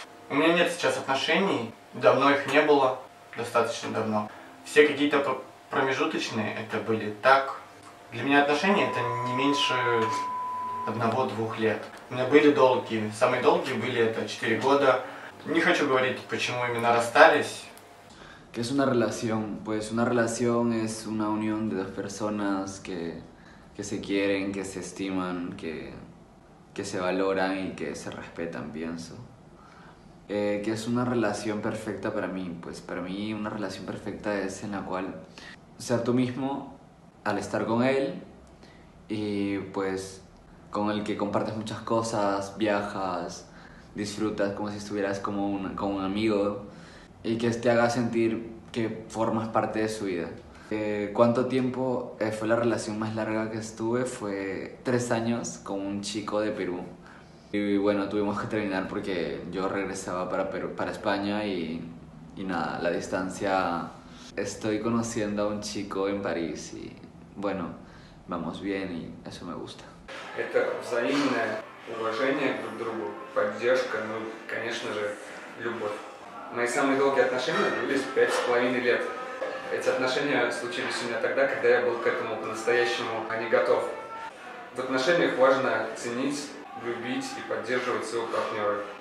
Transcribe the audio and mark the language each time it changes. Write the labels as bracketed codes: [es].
[ru] У меня нет сейчас отношений, давно их не было, достаточно давно. Все какие-то промежуточные это были так. Для меня отношения это не меньше 1-2 лет. У меня были долгие, самые долгие были это 4 года. Не хочу говорить, почему именно расстались. [es] Que es una relación, pues una relación es una unión de dos personas que se quieren, que se estiman, que se valoran y que se respetan, pienso. Que es una relación perfecta para mí, pues para mí una relación perfecta es en la cual ser tú mismo al estar con él y pues con el que compartes muchas cosas, viajas, disfrutas como si estuvieras como un amigo y que te haga sentir que formas parte de su vida. ¿Cuánto tiempo fue la relación más larga que estuve? Fue 3 años con un chico de Perú. Y bueno, tuvimos que terminar porque yo regresaba para Perú, para España y nada, la distancia. Estoy conociendo a un chico en París y bueno, vamos bien y eso me gusta. [ru] Это взаимное уважение друг к другу, поддержка, ну, конечно же, любовь. Мои самые долгие отношения длились 5.5 лет. Эти отношения случились у меня тогда, когда я был к этому по-настоящему не готов. В отношениях важно ценить, любить и поддерживать своего партнера.